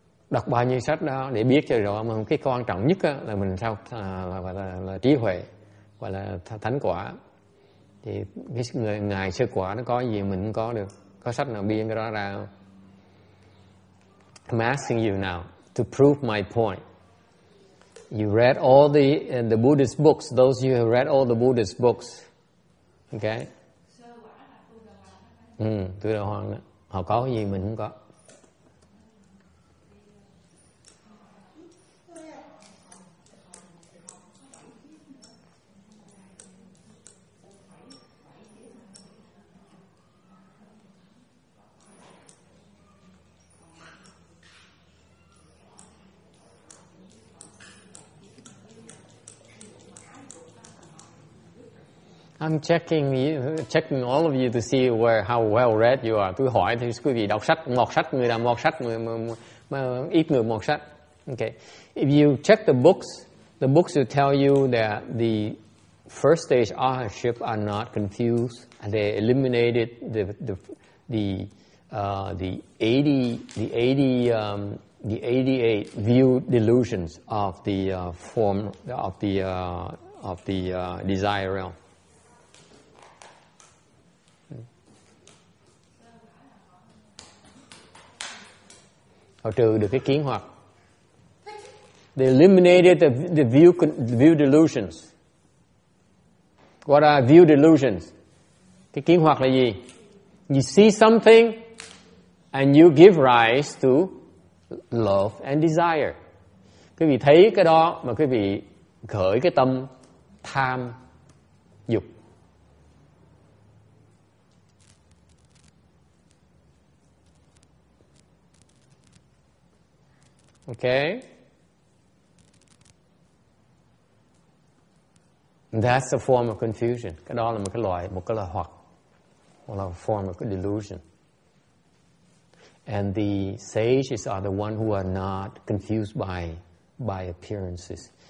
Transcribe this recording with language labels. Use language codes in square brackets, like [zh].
[vi] Đọc bao nhiêu sách đó để biết cho rõ, mà cái quan trọng nhất là mình sao là trí huệ, gọi là thánh quả. Thì cái người ngài sơ quả nó có gì mình không có được. Có sách nào biên cái đó ra không? [en] I'm asking you now to prove my point. You read all the Buddhist books, those you have read all the Buddhist books. Okay? [vi] Tu Đà Hoàng đó. Họ có cái gì mình không có. [en] I'm checking all of you to see where how well read you [vi] are. Tôi hỏi thì quý vị đọc sách, mọt sách, người nào mọt sách, ít người mọt sách. [en] Okay. If you check the books will tell you that the first stage authorship are not confused. And they eliminated the 88 view delusions of the form of the desire realm. [vi] Họ trừ được cái kiến hoặc. [en] They eliminated the view delusions. What are view delusions? [vi] Cái kiến hoặc là gì? [en] You see something and you give rise to love and desire. [vi] Quý vị thấy cái đó mà quý vị khởi cái tâm tham dục. [en] Okay. That's a form of confusion. [vi] Cái đó là một loại [en] form of delusion. And the sages are the ones who are not confused by appearances.